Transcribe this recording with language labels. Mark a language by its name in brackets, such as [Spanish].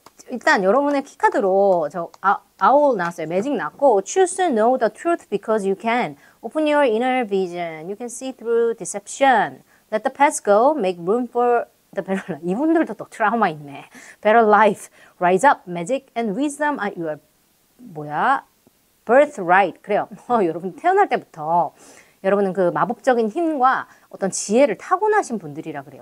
[Korean] 일단 여러분의 키 카드로 저 아울 나왔어요. 매직 나왔고 [English] Choose to know the truth because you can open your inner vision. You can see through deception. Let the past go. Make room for the better life. [Korean] 이분들도 또 트라우마 있네. [English] Better life. Rise up. Magic and wisdom are your [Korean] 뭐야? [English] Birthright. [Korean] 그래요. 여러분 태어날 때부터 여러분은 그 마법적인 힘과 어떤 지혜를 타고나신 분들이라 그래요.